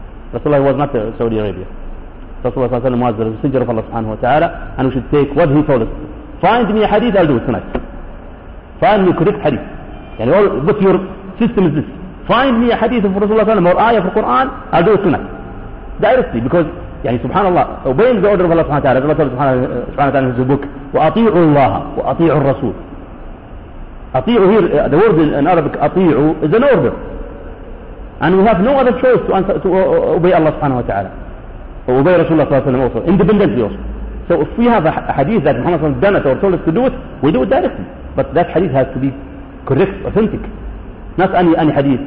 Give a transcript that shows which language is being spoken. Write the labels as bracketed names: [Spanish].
[English] Rasulullah was not Saudi Arabia. Rasulullah was the messenger of Allah subhanahu wa ta'ala, and we should take what he told us. Find me a hadith, I'll do it tonight. Find me a correct hadith. [Arabic] يعني [English] all with your system is this. Find me a hadith of Rasulullah صلى الله عليه وسلم or ayah for Quran, I'll do a sunnah. Directly, because [Arabic] يعني سبحان الله [English] obeying the order of Allah سبحانه وتعالى, [Arabic] الله سبحانه وتعالى [English] in his book, [Arabic] وأطيعوا الله وأطيعوا الرسول. [English] أطيعوا here, the word in Arabic أطيعوا is an order. And we have no other choice to answer, to obey Allah سبحانه وتعالى. Obey Rasulullah صلى الله عليه وسلم also, independently also. So if we have a hadith that Muhammad صلى الله عليه وسلم done it or told us to do it, we do it directly. But that hadith has to be correct, authentic. Not any hadith.